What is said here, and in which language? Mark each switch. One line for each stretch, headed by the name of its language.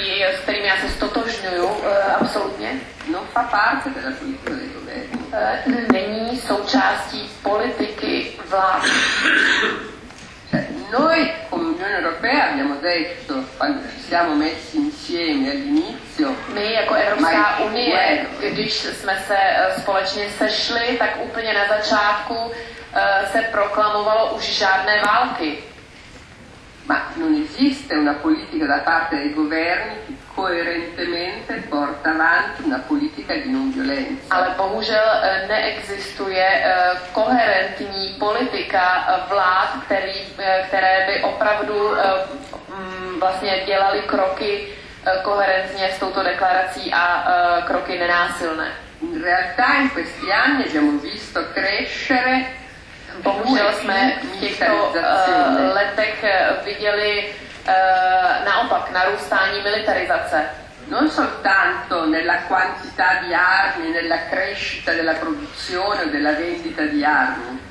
Czech: s kterým já se stotožňuju absolutně,
Italian: non fa parte della politica del governo.
Czech: Není součástí politiky vlády.
Italian: Cioè, noi come Unione Europea abbiamo detto, quando ci siamo messi insieme all'inizio,
Czech: my jako Evropská unie když jsme se společně sešli, tak úplně na začátku se proklamovalo už žádné války.
Italian: Ma non esiste una politica da parte dei governi che coerentemente porta avanti una politica di non violenza.
Czech: Ale bohužel neexistuje koherentní politika vlád, které by opravdu vlastně dělali kroky koherentně s touto deklarací a kroky nenásilné.
Italian: In realtà in questi anni abbiamo visto crescere.
Czech: Bohužel jsme v těchto letech viděli naopak narůstání militarizace.
Italian: Non soltanto nella quantità di armi, nella crescita della produzione o della vendita di armi.